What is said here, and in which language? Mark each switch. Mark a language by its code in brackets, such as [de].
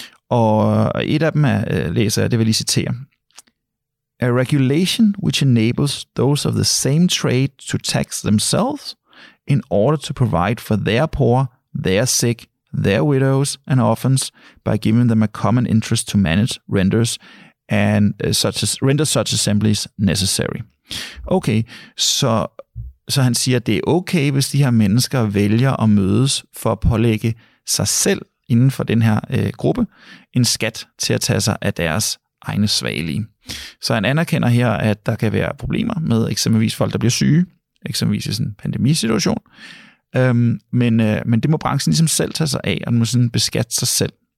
[da] Og et af dem læser jeg, det vil jeg lige citere. [en] A regulation which enables those of the same trade to tax themselves in order to provide for their poor, their sick, their widows and orphans by giving them a common interest to manage render such assemblies necessary. [da] Okay, så han siger, at det er okay, hvis de her mennesker vælger at mødes for at pålægge sig selv inden for den her gruppe, en skat til at tage sig af deres egne svagelige. Så han anerkender her, at der kan være problemer med eksempelvis folk, der bliver syge, eksempelvis i sådan en pandemisituation, men det må branchen ligesom selv tage sig af, og den må sådan beskatte sig selv.